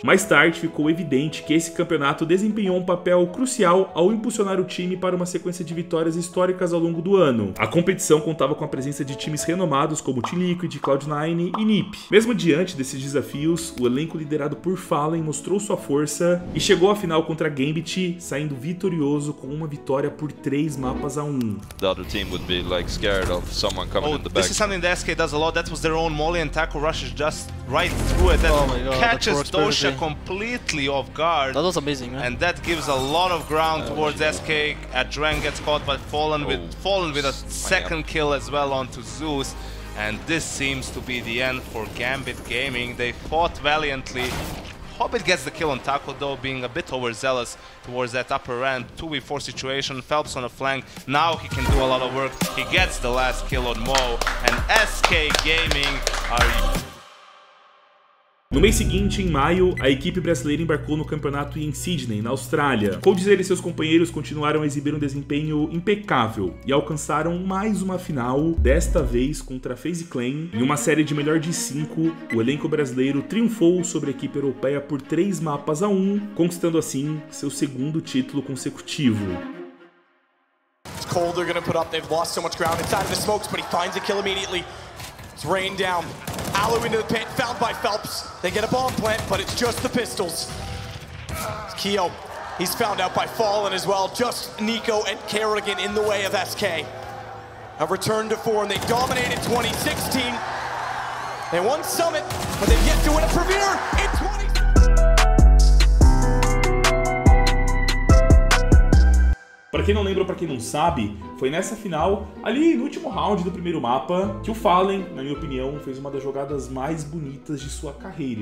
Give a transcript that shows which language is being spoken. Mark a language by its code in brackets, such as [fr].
[pt] Mais tarde, ficou evidente que esse campeonato desempenhou um papel crucial ao impulsionar o time para uma sequência de vitórias históricas ao longo do ano. A competição contava com a presença de times renomados como Team Liquid, Cloud9 e NiP. Mesmo diante desses desafios, o elenco liderado por FalleN mostrou sua força e chegou à final contra a Gambit, saindo vitorioso com uma vitória por 3 mapas a 1. [en] This is something the SK does a lot. That was their own molly and Taco rushes just right through it and catches Dosha completely off guard. That was amazing, man. And that gives a lot of ground towards SK. Adren gets caught by Fallen with a second kill as well onto Zeus. And this seems to be the end for Gambit Gaming. They fought valiantly. Hobbit gets the kill on Taco, though, being a bit overzealous towards that upper end. 2v4 situation, Phelps on the flank. Now he can do a lot of work. He gets the last kill on Mo, and SK Gaming are... [pt] No mês seguinte, em maio, a equipe brasileira embarcou no campeonato em Sydney, na Austrália. Coldzera e seus companheiros continuaram a exibir um desempenho impecável e alcançaram mais uma final, desta vez contra a FaZe Clan. Em uma série de melhor de 5, o elenco brasileiro triunfou sobre a equipe europeia por 3 mapas a 1, conquistando assim seu segundo título consecutivo. [en] It's cold, they're gonna put up, they've lost so much ground inside of the smokes, but he finds a kill immediately. It's rain down. Alu into the pit, found by Phelps. They get a bomb plant, but it's just the pistols. It's Keo, he's found out by Fallen as well. Just Nico and Kerrigan in the way of SK. A return to 4, and they dominated 2016. They won Summit, but they've yet to win a Premier in 20. [pt] Pra quem não lembra, pra quem não sabe, foi nessa final, ali no último round do primeiro mapa, que o FalleN, na minha opinião, fez uma das jogadas mais bonitas de sua carreira.